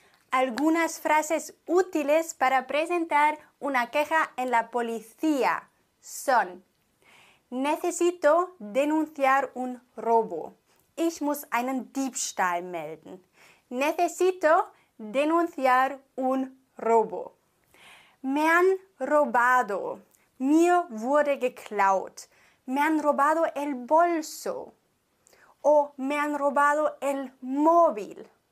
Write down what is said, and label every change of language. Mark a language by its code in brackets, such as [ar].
[es] Algunas frases útiles para presentar una queja en la policía son: Necesito denunciar un robo. [de] Ich muss einen Diebstahl melden. [es] Necesito denunciar un robo. Me han robado. [de] Mir wurde geklaut. [es] Me han robado el bolso. O me han robado el móvil.